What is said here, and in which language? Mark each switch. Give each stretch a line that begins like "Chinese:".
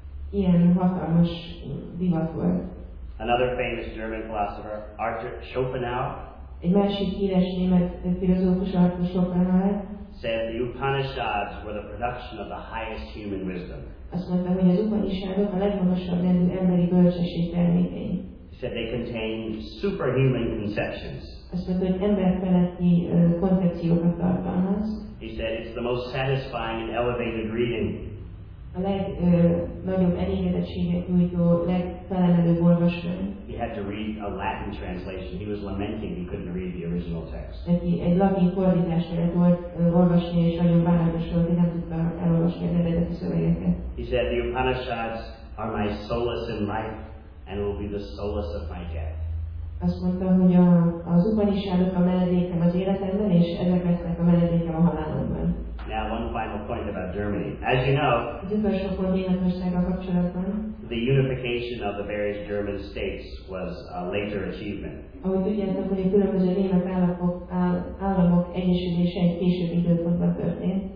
Hungarian: Ilyen hatalmas divat volt.
English: Another famous German philosopher, Arthur Schopenhauer,
Hungarian: egy másik híres német filozófus Arthur Schopenhauer
English: said the Upanishads were the production of the highest human wisdom.
Hungarian: Azt mondta, hogy az Upanishadok a legmagasabb rendű emberi bölcsesség termékei.
English: He said they contain superhuman conceptions. He said it's the most satisfying and elevated reading. He had to read a Latin translation. He was lamenting he couldn't read the original text. He said, the Upanishads are my solace in life and will be the solace of my death.
Hungarian: Azt mondta, hogy az Upanishadok a menedékem az életemben, és ezek lesznek a menedékem a halálomban.
English: Now one final point about Germany. As you know,
Hungarian: az utolsó pont Németországgal kapcsolatban,
English: the unification of the various German states was a later achievement.
Hungarian: Ahogy tudjátok, hogy a különböző német államok egyesülése egy később időpontban történt.